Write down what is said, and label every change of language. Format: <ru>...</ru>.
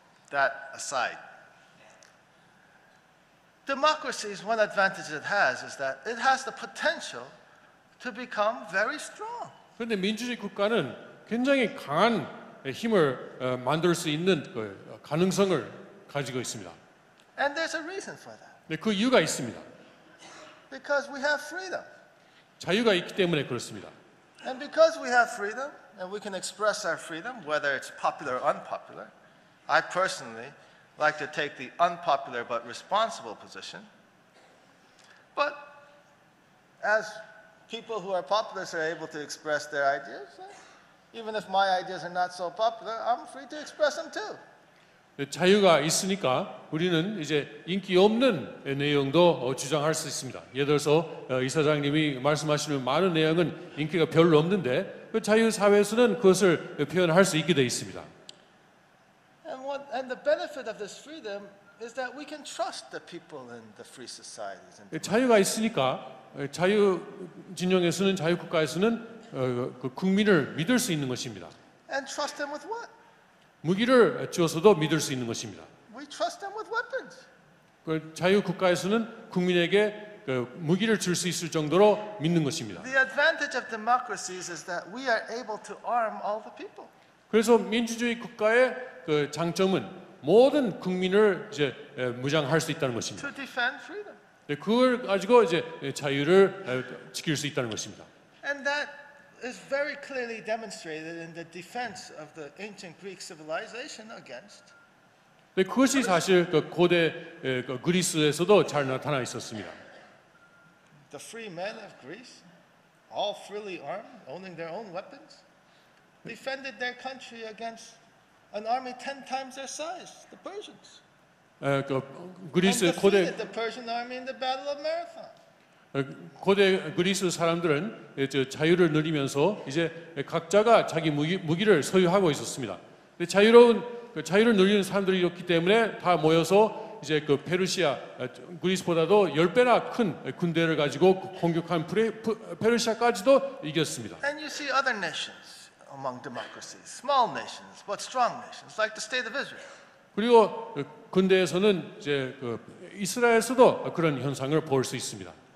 <en>That aside, democracy's one advantage it has is that it has the potential to become very strong.</en> <ko>그런데 민주주의 국가는 굉장히 강한 힘을 만들 수 있는 가능성을 가지고 있습니다.</ko> <en>And there's a reason for that.</en> <ko>네, 그 이유가 있습니다.</ko> <en>Because we have freedom.</en> <ko>자유가 있기 때문에 그렇습니다.</ko> <en>And because we have freedom, and we can express our freedom, whether it's popular or unpopular, I personally like to take the unpopular but responsible position. But as people who are populist are able to express their ideas, even if my ideas are not so popular, I'm free to express them too.</en> <ko>자유가 있으니까 우리는 이제 인기 없는 내용도 주장할 수 있습니다. 예를 들어서 이사장님이 말씀하시는 많은 내용은 인기가 별로 없는데 자유사회에서는 그것을 표현할 수 있게 되어 있습니다.</ko> <en>And the benefit of this freedom is that we can trust the people in the free societies.</en> <ko>자유가 있으니까 자유 진영에서는 자유국가에서는 그 국민을 믿을 수 있는 것입니다.</ko> <en>And trust them with what?</en> <ko>무기를 주어서도 믿을 수 있는 것입니다.</ko> <en>We trust them with weapons.</en> <ko>자유 국가에서는 국민에게 그 무기를 줄 수 있을 정도로 믿는 것입니다.</ko> <en>The advantage of democracies is that we are able to arm all the people.</en> <ko>그래서 민주주의 국가의 그 장점은 모든 국민을 이제 무장할 수 있다는 것입니다.</ko> <en>To defend freedom.</en> <ko>그걸 가지고 이제 자유를 지킬 수 있다는 것입니다.</ko> <en>And that is very clearly demonstrated in the defense of the ancient Greek civilization against.</en> <ko>네, 그것이 사실 그 고대 그 그리스에서도 잘 나타나 있었습니다.</ko> <en>The free men of Greece, all freely armed, owning their own weapons, defended their country against an army 10 times their size, the Persians.</en> <ko>그 그리스 고대</ko> <en>the Persian army in the Battle of Marathon.</en> <ko>고대 그리스 사람들은 자유를 누리면서 이제 각자가 자기 무기를 소유하고 있었습니다. 자유로운 자유를 누리는 사람들이었기 때문에 다 모여서 이제 그 페르시아 그리스보다도 열 배나 큰 군대를 가지고 공격한 페르시아까지도 이겼습니다.</ko> <en>And you see other nations among democracies, small nations but strong nations like the state of Israel.</en> <ko>그리고 군대에서는 이제 그 이스라엘에서도 그런 현상을 볼 수 있습니다.</ko>